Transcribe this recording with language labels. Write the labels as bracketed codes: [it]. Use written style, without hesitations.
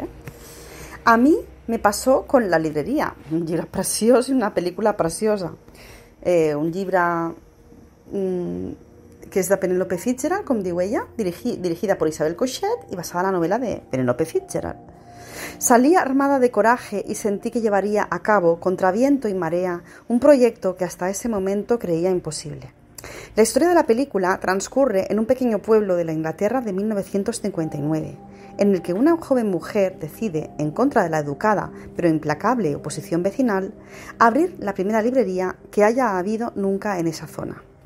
[es] ¿Eh? A mi me pasó con la librería. [ca] Un llibre preciós i una pel·lícula preciosa. Un llibre que és de Penélope Fitzgerald, com diu ella, dirigida per Isabel Coixet i basada en la novel·la de Penélope Fitzgerald. [es] Salí armada de coraje y sentí que llevaría a cabo, contra viento y marea, un proyecto que hasta ese momento creía imposible. La historia de la película transcurre en un pequeño pueblo de la Inglaterra de 1959, en el que una joven mujer decide, en contra de la educada pero implacable oposición vecinal, abrir la primera librería que haya habido nunca en esa zona.